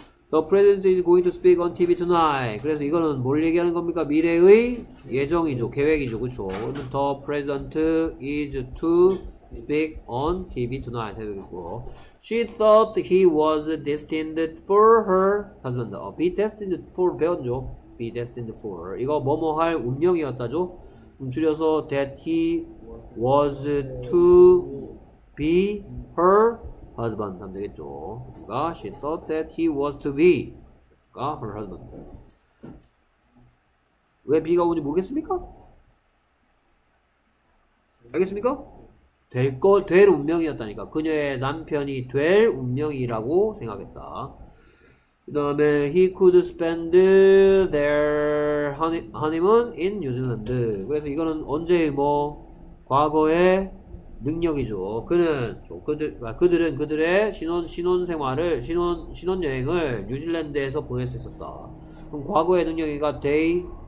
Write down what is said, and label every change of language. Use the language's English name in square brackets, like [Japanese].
[English] The president is going to speak on TV tonight. [Korean] 그래서 이거는 뭘 얘기하는 겁니까? 미래의 예정이죠. 계획이죠. 그렇죠. [English] The president is to speak on TV tonight [Korean] 해야 되겠고 [English] She thought he was destined for her husband. Be destined for [Korean] 배웠죠? [English] Be destined for her. [Korean] 이거 뭐뭐 할 운명이었다죠? 줄여서 [English] that he was to be her husband. [Korean] 하면 되겠죠? [English] She thought that he was to be her husband. [Korean] 왜 be가 오는지 모르겠습니까? 알겠습니까? 될 운명이었다니까 그녀의 남편이 될 운명이라고 생각했다 그 다음에 [English] he could spend their honeymoon in New Zealand [Korean] 그래서 이거는 언제 뭐 과거의 능력이죠 그는 그들은 그들의 신혼여행을 뉴질랜드에서 보낼 수 있었다 그럼 과거의 능력이가 [English] they